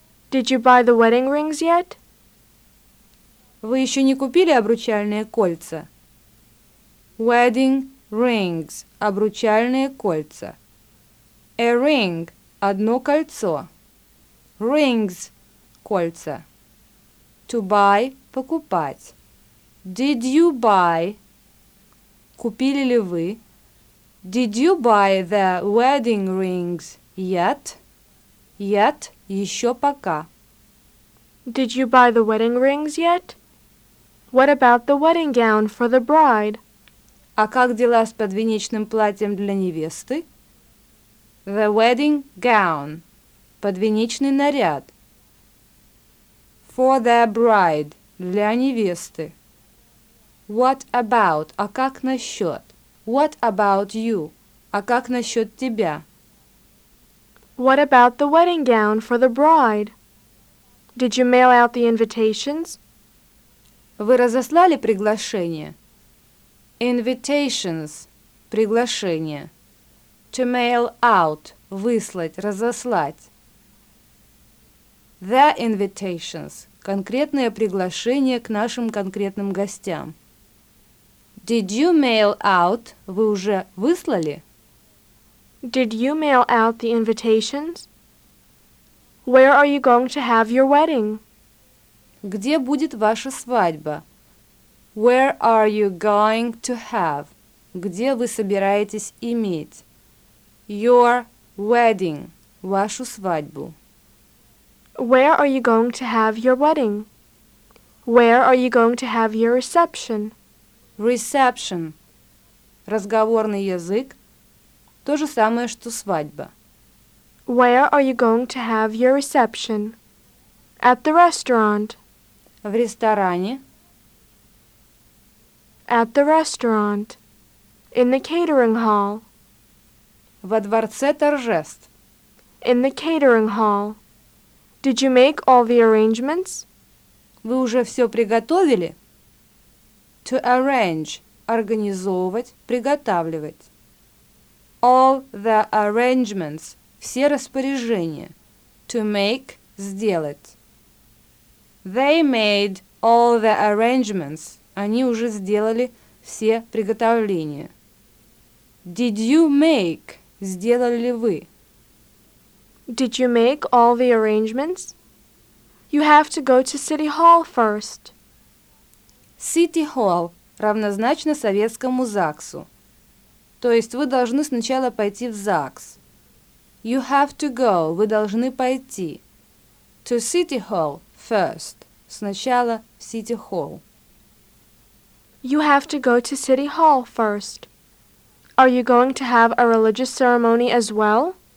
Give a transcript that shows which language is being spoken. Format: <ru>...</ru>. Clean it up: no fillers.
<en>Did you buy the wedding rings yet?</en> <ru>Вы еще не купили обручальные кольца?</ru> <en>Wedding rings.</en> <ru>Обручальные кольца.</ru> <en>A ring.</en> <ru>Одно кольцо.</ru> <en>Rings.</en> <ru>Кольца.</ru> <en>To buy.</en> <ru>Покупать.</ru> <en>Did you buy?</en> <ru>Купили ли вы?</ru> <en>Did you buy the wedding rings yet? Yet,</en> <ru>еще пока.</ru> <en>Did you buy the wedding rings yet? What about the wedding gown for the bride?</en> <ru>А как дела с подвенечным платьем для невесты?</ru> <en>The wedding gown.</en> <ru>Подвенечный наряд.</ru> <en>For the bride.</en> <ru>Для невесты.</ru> <en>What about?</en> <ru>А как насчет?</ru> <en>What about you?</en> <ru>А как насчет тебя?</ru> <en>What about the wedding gown for the bride? Did you mail out the invitations?</en> <ru>Вы разослали приглашение?</ru> <en>Invitations.</en> <ru>Приглашение.</ru> <en>To mail out.</en> <ru>Выслать, разослать.</ru> <en>The invitations.</en> <ru>Конкретное приглашение к нашим конкретным гостям.</ru> <en>Did you mail out?</en> <ru>Вы уже выслали?</ru> <en>Did you mail out the invitations? Where are you going to have your wedding?</en> <ru>Где будет ваша свадьба?</ru> <en>Where are you going to have?</en> <ru>Где вы собираетесь иметь?</ru> <en>Your wedding.</en> <ru>Вашу свадьбу.</ru> <en>Where are you going to have your wedding? Where are you going to have your reception?</en> <ru>Reception. Разговорный язык. То же самое, что свадьба.</ru> <en>Where are you going to have your reception? At the restaurant.</en> <ru>В ресторане.</ru> <en>At the restaurant. In the catering hall.</en> <ru>Во дворце торжеств.</ru> <en>In the catering hall. Did you make all the arrangements?</en> <ru>Вы уже все приготовили?</ru> <en>To arrange.</en> <ru>Организовывать, приготавливать.</ru> <en>All the arrangements.</en> <ru>Все распоряжения.</ru> <en>To make.</en> <ru>Сделать.</ru> <en>They made all the arrangements.</en> <ru>Они уже сделали все приготовления.</ru> <en>Did you make?</en> <ru>Сделали ли вы?</ru> <en>Did you make all the arrangements? You have to go to City Hall first.</en> <ru>City Hall равнозначно советскому ЗАГСу. То есть вы должны сначала пойти в ЗАГС.</ru> <en>You have to go.</en> <ru>Вы должны пойти.</ru> <en>To City Hall first.</en> <ru>Сначала в City Hall.</ru> <en>You have to go to City Hall first. Are you going to have a religious ceremony as well?</en>